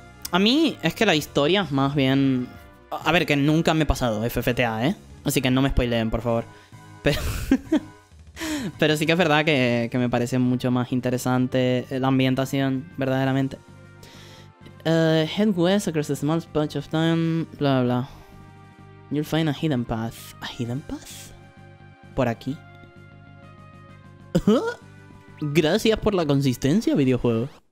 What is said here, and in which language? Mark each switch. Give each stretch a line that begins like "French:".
Spanish: A mí es que la historia más bien... A ver, que nunca me he pasado FFTA, ¿eh? Así que no me spoileen, por favor. Pero... pero sí que es verdad que me parece mucho más interesante la ambientación, verdaderamente.
English: Head west across a small patch of time, bla bla. You'll find a hidden path. ¿A hidden path?
Spanish: ¿Por aquí? Gracias por la consistencia, videojuego.